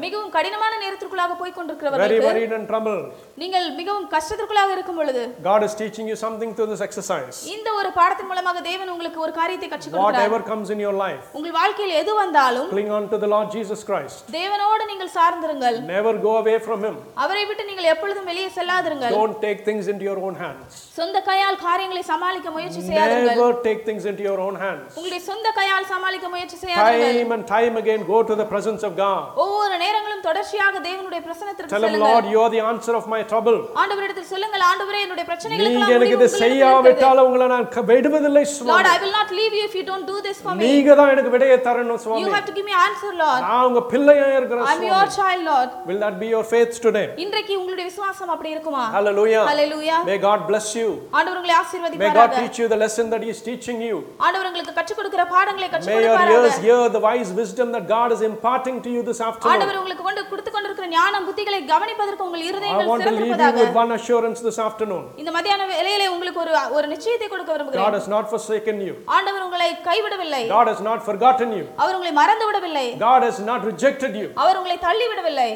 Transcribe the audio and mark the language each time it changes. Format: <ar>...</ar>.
<ta>மிகவும் கடினமான நேரத்துக்குள்ளாக போய் கொண்டிருக்கிறவர்களுக்கு</ta> <en>Very worried and troubled.</en> <ta>நீங்கள் மிகவும் கஷ்டத்துக்குள்ளாக இருக்கும் பொழுது</ta> <en>God is teaching you something through this exercise.</en> <ta>இந்த ஒரு பாடத்தின் மூலமாக தேவன் உங்களுக்கு ஒரு காரியத்தை கற்றுக் கொடுக்கிறார்.</ta> <en>Whatever comes in your life.</en> <ta>உங்கள் வாழ்க்கையில் எது வந்தாலும்</ta> <en>Cling on to the Lord Jesus Christ.</en> <ta>தேவனோடு நீங்கள் சார்ந்திருங்கள்.</ta> <en>Never go away from him.</en> <ta>அவரை விட்டு நீங்கள் எப்பொழுதும் வெளியே செல்லாதிருங்கள்.</ta> <en>Don't take things into your own hands.</en> <ta>சொந்த கையால் காரியங்களை சமாளிக்க முயற்சி செய்யாதீர்கள்.</ta> <en>Never take things into your own hands.</en> <ta>உங்களுடைய சொந்த கையால் சமாளிக்க முயற்சி செய்யாதீர்கள்.</ta> <en>Time and time again go to the presence of God.</en> <ta>ஒவ்வொரு நேரங்களும் தொடர்ச்சியாக தேவனுடைய பிரசன்னத்திற்கு செல்லுங்கள்.</ta> <en>Tell him, Lord, you are the answer of my trouble.</en> <ta>ஆண்டவரிடத்தில் சொல்லுங்கள், ஆண்டவரே என்னுடைய பிரச்சனைகளை எல்லாம் உங்களுக்கு கொடுத்துட்டே இருக்கிறேன். நீங்க எனக்கு இதை செய்யாவிட்டால் உங்களை நான் விடுவதில்லை சுவாமி.</ta> <en>Lord, I will not leave you if you don't do this for me.</en> <ta>நீங்க தான் எனக்கு விடையை தரணும் சுவாமி.</ta> <en>You have to give me answer, Lord.</en> <ta>நான் உங்க பிள்ளையா இருக்கிறேன் சுவாமி.</ta> <en>I'm your child, Lord. Will that be your faith today?</en> <ta>இன்றைக்கு உங்களுடைய விசுவாசம் அப்படி இருக்குமா?</ta> <en>Hallelujah. Hallelujah. May God bless you.</en> <ta>ஆண்டவர் உங்களை ஆசீர்வதிப்பாராக.</ta> <en>May God teach you the lesson that he is teaching you.</en> <ta>ஆண்டவர் உங்களுக்கு கற்றுக் கொடுக்கிற பாடங்களை கற்றுக் கொடுப்பாராக.</ta> <en>May your ears hear the wise wisdom that God is imparting to you this afternoon.</en> <ta>ஆண்டவர் உங்களுக்கு கொடுத்துக்கொண்டிருக்கிற ஞானம் புத்திகளை கவனிப்பதற்கு உங்கள் இருதயங்கள்</ta> <en>Leave you with one assurance this afternoon.</en> <ta>இந்த மதியான வேளையிலே உங்களுக்கு ஒரு நிச்சயத்தை கொடுக்க விரும்புகிறேன்.</ta> <en>God has not forsaken you.</en> <ta>ஆண்டவர் உங்களை கைவிடவில்லை.</ta> <en>God has not forgotten you.</en> <ta>அவர் உங்களை மறந்து விடவில்லை.</ta> <en>God has not rejected you.</en> <ta>அவர் உங்களை தள்ளி விடவில்லை.</ta>